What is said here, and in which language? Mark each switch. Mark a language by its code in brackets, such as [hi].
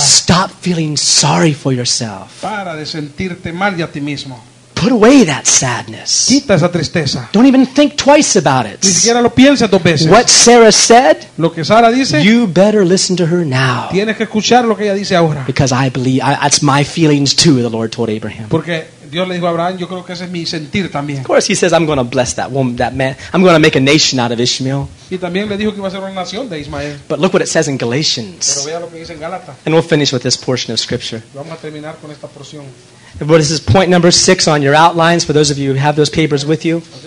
[en] Stop feeling sorry for yourself. [es] Para de sentirte mal de a ti mismo. [en] Put away that sadness. [es] Quita esa tristeza. [en] Don't even think twice about it. [es] Ni siquiera lo pienses dos veces. [en] What Sarah said, [es] lo que Sara dice, [en] you better listen to her now. [es] Tienes que escuchar lo que ella dice ahora. [en] Because I believe, that's my feelings too, the Lord told Abraham. [es] Porque Dios le dijo a Abraham, yo creo que ese es mi sentir también. [en] Of course he says, I'm going to bless that woman, that man. I'm going to make a nation out of Ishmael. [es] Y también le dijo que iba a ser una nación de Ismael. [en] But look what it says in Galatians. [es] Pero vea lo que dice en Gálatas. [en] And we'll finish with this portion of scripture. [es] Vamos a terminar con esta porción. [en] But this is point number 6 on your outlines for those of you who have those papers with you.